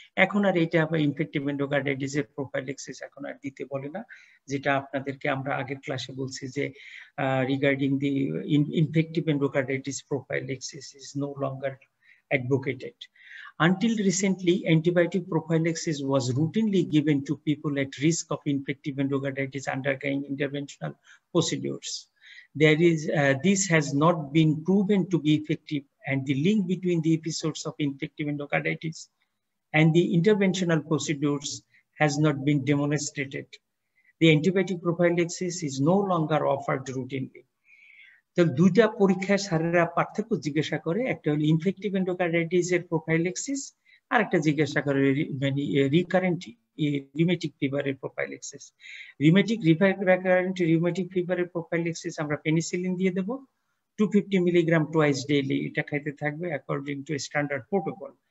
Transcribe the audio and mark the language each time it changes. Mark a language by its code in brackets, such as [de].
[bn] এখন আর এটা আবার ইনফেক্টিভ এন্ডোকার্ডাইটিস এর প্রোফাইল্যাক্সিস এখন আর দিতে বলে না, যেটা আপনাদেরকে আমরা আগের ক্লাসে বলছি যে [en] Regarding the infective endocarditis prophylaxis is no longer advocated. Until recently antibiotic prophylaxis was routinely given to people at risk of infective endocarditis undergoing interventional procedures. There is this has not been proven to be effective, and the link between the episodes of infective endocarditis and the interventional procedures has not been demonstrated. The antibiotic prophylaxis is no longer offered routinely. [bn] তো দুইটা পরীক্ষায় সারেরা পার্থক্য জিজ্ঞাসা করে, একটা হলো infective endocarditis এর prophylaxis, আর একটা জিজ্ঞাসা করে মানে রিকারেন্ট রিউমেটিক ফিভার এর prophylaxis. Rheumatic recurrent rheumatic fever এর প্রোফাইলেক্সিস আমরা পেনিসিলিন দিয়ে দেব 250 মিলিগ্রাম টুয়াইস ডেইলি, এটা খাইতে থাকবে [en] According to standard protocol.